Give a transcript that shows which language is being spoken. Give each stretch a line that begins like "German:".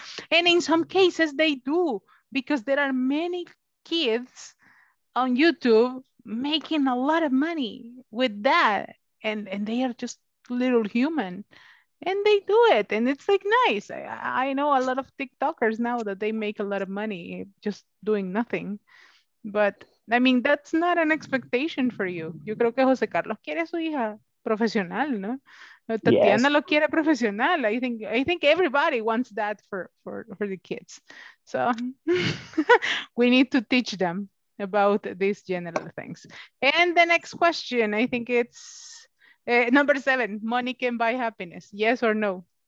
English: And in some cases, they do, because there are many kids on YouTube making a lot of money with that, and they are just little human. And they do it, and it's like nice. I know a lot of TikTokers now that they make a lot of money just doing nothing. But I mean, that's not an expectation for you.
Spanish: Yo creo que José Carlos quiere su hija profesional, ¿no? Tatiana lo quiere profesional.
English: I think everybody wants that for the kids. So we need to teach them about these general things. And the next question, I think it's. Number seven, money can buy happiness. Yes or no?